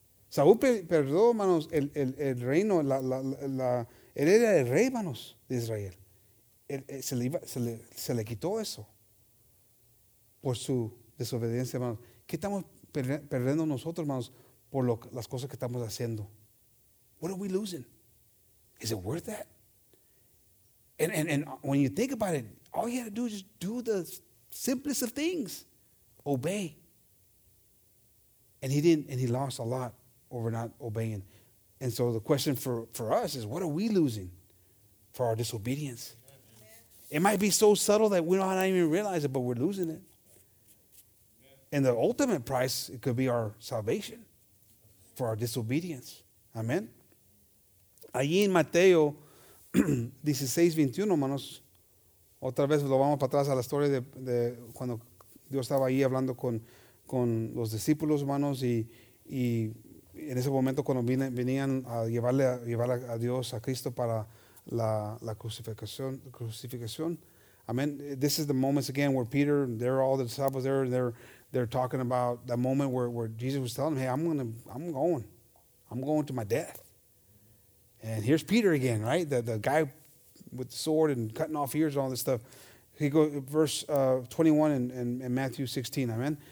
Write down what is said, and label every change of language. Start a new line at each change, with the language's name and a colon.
Spanish: Saúl perdió, hermanos, el reino, él era el rey, hermanos, de Israel. Se le quitó eso por su desobediencia, hermanos. ¿Qué estamos perdiendo nosotros, hermanos, por las cosas que estamos haciendo?
English: What are we losing? Is it worth that? And when you think about it, all you have to do is just do the simplest of things. Obey. And he lost a lot. Over not obeying. And so the question for us is, what are we losing for our disobedience? Amen. It might be so subtle that we don't even realize it, but we're losing it. Amen. And the ultimate price, it could be our salvation for our disobedience. Amen.
Spanish: Allí en Mateo 16:21, hermanos, otra vez lo vamos para atrás a la historia de cuando Dios estaba ahí hablando con los discípulos, hermanos, y en ese momento cuando venían a llevarle a Dios, a Cristo, para la crucificación.
English: Amen. This is the moments again where Peter, they're all the disciples there, and they're talking about that moment where Jesus was telling them, hey, I'm going to my death. And here's Peter again, right? The guy with the sword and cutting off ears and all this stuff. He goes, verse 21 in Matthew 16, amen.